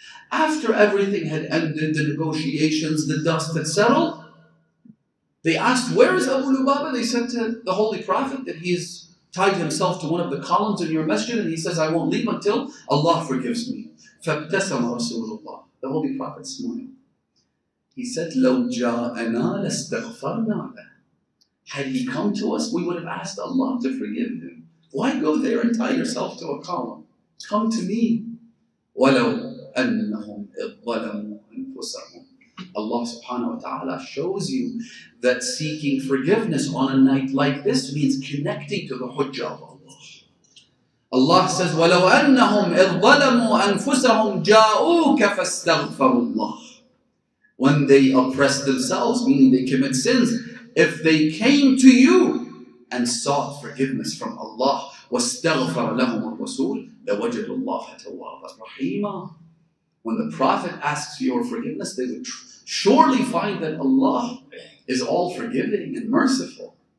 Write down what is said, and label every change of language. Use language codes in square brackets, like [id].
[en] After everything had ended, the negotiations, the dust had settled, they asked, where is Abu Lubaba? They said to the Holy Prophet that he has tied himself to one of the columns in your masjid, and he says, I won't leave until Allah forgives me. [ar] فَابْتَسَمَ رَسُولُ اللَّهِ. [en] The Holy Prophet smiled. He said, [ar] لَوْ جَاءَنَا لَاسْتَغْفَرْنَا لَهُ. [en] Had he come to us, we would have asked Allah to forgive him. Why go there and tie yourself to a column? Come to me. [ar] وَلَوْ أَنَّهُمْ إِظَّلَمُوا أَنفُسَهُمْ. [en] Allah subhanahu wa ta'ala shows you that seeking forgiveness on a night like this means connecting to the Hujjah of Allah. Allah says, [ar] وَلَوْ أَنَّهُمْ إِظَّلَمُوا أَنفُسَهُمْ جَاءُوكَ فَاسْتَغْفَرُوا اللَّهِ. [en] When they oppress themselves, meaning they commit sins, if they came to you and sought forgiveness from Allah, [ar] واستغفر لهم الرسول لوجد الله توابا رحيما. [en] When the Prophet asks your forgiveness, they would surely find that Allah is all forgiving and merciful.